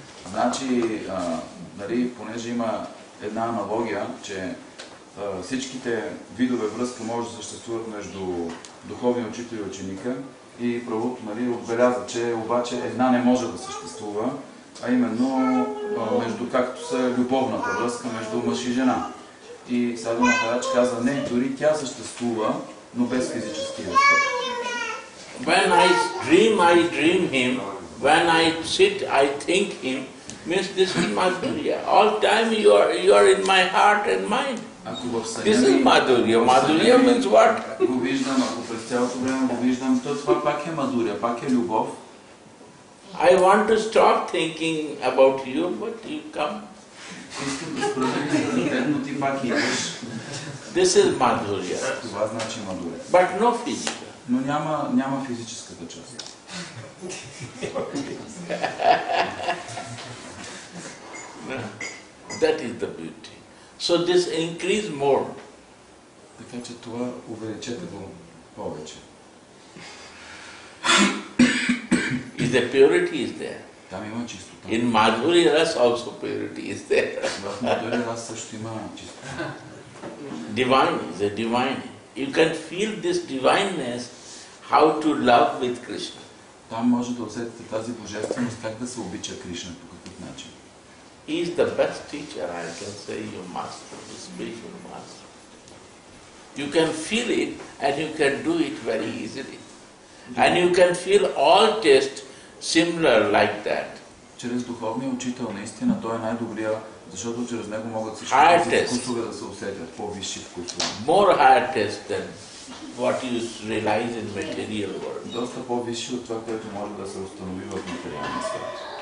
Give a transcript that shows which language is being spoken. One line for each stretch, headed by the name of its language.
Bulgarian: Значи, нали, понеже има една аналогия, че всичките видове връзка може да съществуват между духовния учител и ученика и правото, нали, отбеляза, че обаче една не може да съществува, а именно между както са любовната връзка между мъж и жена. И Садху Махарадж каза, не, дори тя съществува, но без физически аспект.
English: When I dream him, when I sit, I think him, means this is madhurya. All time you are in my heart and mind. This is madhurya. Madhurya means what?
Bulgarian: Го виждам, ако през цялото време го виждам, то това пак е мадурия, пак е любов.
English: I want to stop thinking about you, but you come.
Bulgarian: Искам да спра да мисля за теб, но ти пак идваш.
English: This is madhurya.
Bulgarian: Това значи мадурия.
English: But no physical.
Bulgarian: Но няма физическата част.
English: That is the beauty. So this increase more.
Bulgarian: Така че това увеличете го повече.
English: Is the purity is there?
Bulgarian: Там има чистота.
English: In Madhuri Ras also purity is there.
Bulgarian: Madhuri Ras също има чистота.
English: Divine is a divine. You can feel this divineness, how to love with Krishna.
Bulgarian: Там може да усетите тази божественост, как да се обича Кришна по какъв начин.
English: He is the best teacher, I can say, your master, the spiritual master. You can feel it and you can do it very easily. And you can feel all tastes similar like that.
Bulgarian: Чрез духовния учител, наистина, той е най-добрия, защото чрез него могат всички тези вкусове да се усетят, по-висши вкусове.
English: More higher taste than what you realize in material world.
Bulgarian: Доста по-висши от това, което може да се установи в материалния свят.